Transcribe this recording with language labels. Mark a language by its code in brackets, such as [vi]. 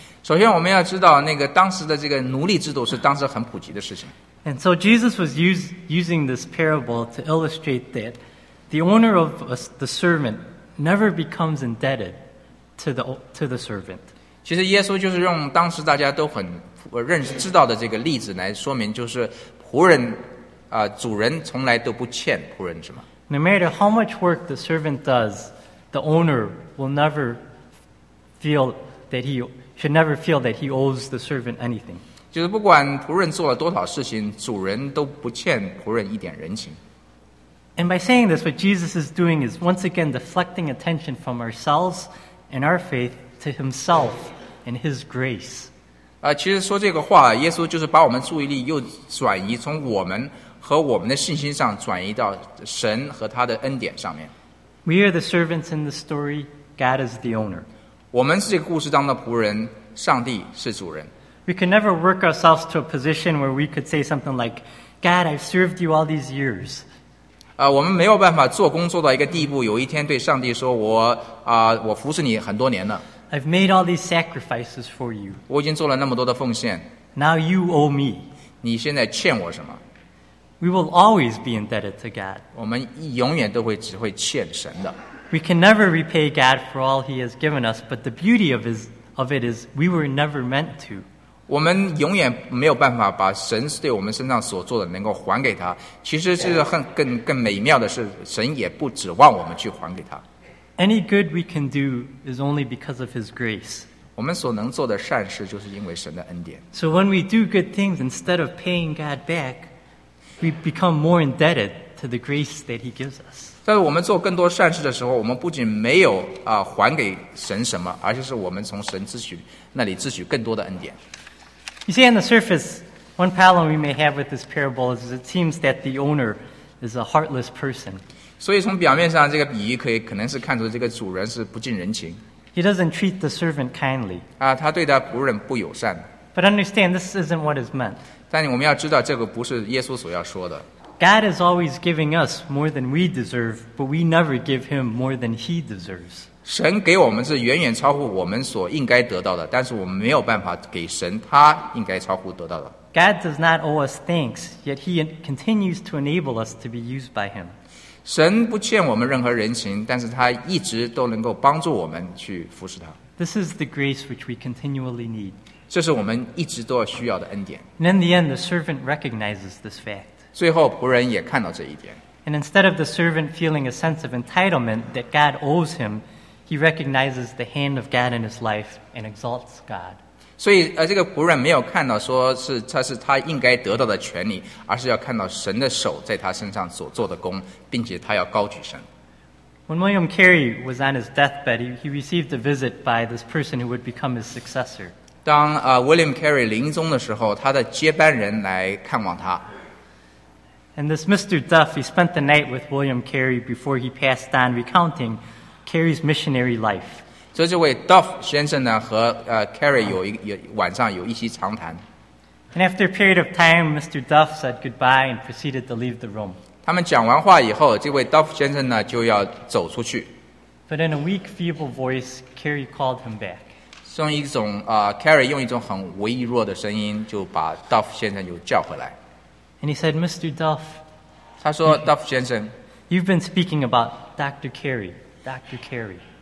[zh] 首先我们要知道那个当时的这个奴隶制度是当时很普及的事情。 [en] And so Jesus was using this parable to illustrate that the owner of the servant never becomes indebted to the servant. [zh] 其实耶稣就是用当时大家都很知道的这个例子来说明就是仆人主人从来都不欠仆人什么。 [en] No matter how much work the servant does, the owner will never feel that he... Should never feel that he owes the servant anything. [zh] 就是不管仆人做了多少事情，主人都不欠仆人一点人情。 [en] And by saying this, what Jesus is doing is once again deflecting attention from ourselves and our faith to himself and his grace. [zh] 其实说这个话，耶稣就是把我们注意力又转移从我们和我们的信心上转移到神和他的恩典上面。 [en] We are the servants in the story. God is the owner. [zh] 我们是这个故事当的仆人，上帝是主人。 [en] We can never work ourselves to a position where we could say something like, "God, I've served you all these years." [zh] 我们没有办法做工作到一个地步，有一天对上帝说，我服侍你很多年了。 [en] I've made all these sacrifices for you. [zh] 我已经做了那么多的奉献。 [en] Now you owe me. [zh] 你现在欠我什么 [en] ？We will always be indebted to God. [zh] 我们永远都会只会欠神的。 [en] We can never repay God for all He has given us, but the beauty of it is we were never meant to. [zh] 我们永远没有办法把神对我们身上所做的能够还给他。其实这是更美妙的是，神也不指望我们去还给他。 [en] Any good we can do is only because of His grace. [zh] 我们所能做的善事就是因为神的恩典。 [en] So when we do good things instead of paying God back, we become more indebted to the grace that He gives us. [zh] 在我们做更多善事的时候，我们不仅没有还给神什么，而且是我们从神那里支取更多的恩典。 [en] You see, on the surface, one problem we may have with this parable is it seems that the owner is a heartless person. [zh] 所以从表面上，这个比喻可能是看出这个主人是不近人情。 [en] He doesn't treat the servant kindly. [zh] 他对他仆人不友善。 [en] But understand, this isn't what is meant. [zh] 但我们要知道，这个不是耶稣所要说的。 [en] God is always giving us more than we deserve, but we never give Him more than He deserves. [zh] 神给我们是远远超乎我们所应该得到的，但是我们没有办法给神他应该超乎得到的。 [en] God does not owe us thanks, yet He continues to enable us to be used by Him. [zh] 神不欠我们任何人情，但是他一直都能够帮助我们去服侍他。 [en] This is the grace which we continually need. [zh] 这是我们一直都需要的恩典。 [en] And in the end, the servant recognizes this fact. [zh] 最后仆人也看到这一点。 [en] And instead of the servant feeling a sense of entitlement that God owes him, he recognizes the hand of God in his life and exalts God. [zh] 所以这个仆人没有看到说是他是他应该得到的权利，而是要看到神的手在他身上所做的功，并且他要高举神。 [en] When William Carey was on his deathbed, he received a visit by this person who would become his successor. [zh] 当William Carey 临终的时候，他的接班人来看望他。 [en] And this Mr. Duff, he spent the night with William Carey before he passed on, recounting Carey's missionary life. [zh] 所以这位 Duff 先生呢，和Carey 有晚上有一席长谈。 [en] And after a period of time, Mr. Duff said goodbye and proceeded to leave the room. [zh] 他们讲完话以后，这位 Duff 先生呢就要走出去。 [en] But in a weak, feeble voice, Carey called him back. [zh] 用一种Carrie 用一种很微弱的声音就把 Duff 先生又叫回来。 [en] And he said, Mr. Duff. [zh] 他说 ，Duff 先生 [en] ，You've been speaking about Dr. Carrie, Dr. Carrie.